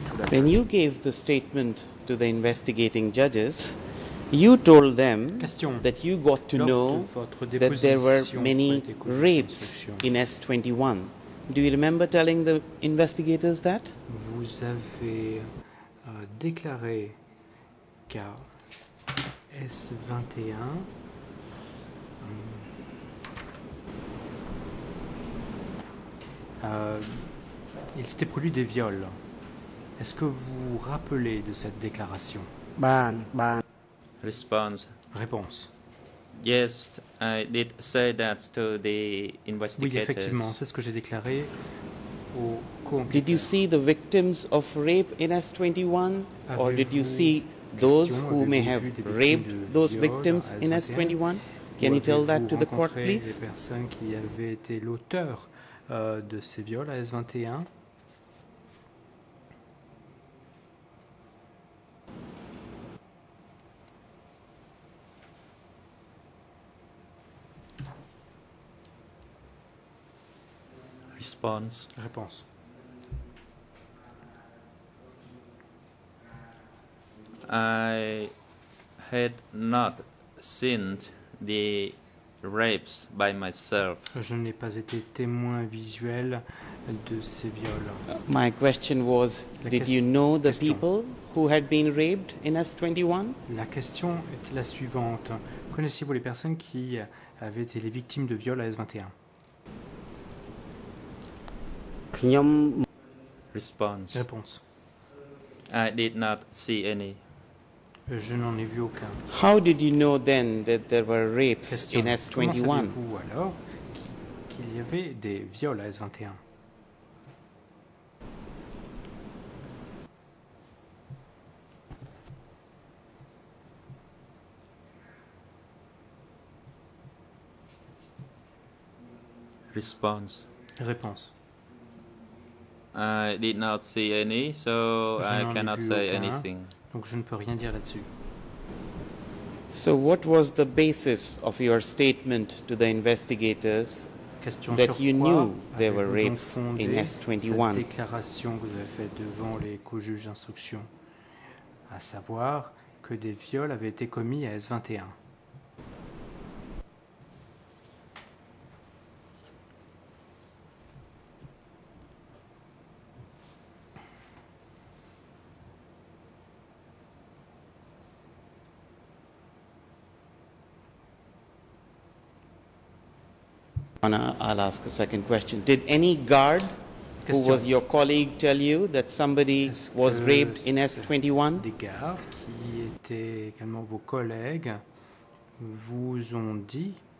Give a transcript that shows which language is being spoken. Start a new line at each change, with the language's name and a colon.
English: When you gave the statement to the investigating judges, you told them that you got to know that there were many rapes in S21. Do you remember telling the investigators that?
French: Vous avez déclaré qu'à S21, il s'était produit des viols. Est-ce que vous vous rappelez de cette déclaration? Ban. Réponse.
English: Yes, I did say that to the investigators.
French: Oui, effectivement, c'est ce que j'ai déclaré au co-enquêteur.
English: Did you see the victims of rape in S21? Or did you see those who may have raped those victims in S21? Can you tell that to the court, please?
French: Les personnes qui avaient été l'auteur de ces viols à S21. Réponse.
English: I had not seen the rapes by myself.
French: Je n'ai pas été témoin visuel de ces viols.
English: My question was, did you know the people who had been raped in S21?
French: La question est la suivante. Connaissez-vous les personnes qui avaient été les victimes de viols à S21? Réponse.
English: I did not see any.
French: Je n'en ai vu aucun.
English: How did you know then that there were rapes in S21?
French: Comment savez-vous alors qu'il y avait des viols à S21? Réponse.
English: I did not see any, so I cannot say anything.
French: Donc je ne peux rien dire là-dessus.
English: So what was the basis of your statement to the investigators that you knew there were rapes in S21?
French: La déclaration que vous avez faite devant les co-juges d'instruction, à savoir que des viols avaient été commis à S21.
English: I'll ask a second question. Did any guard who was your colleague tell you that somebody was raped in S21?
French: Des gardes qui étaient également vos collègues vous ont dit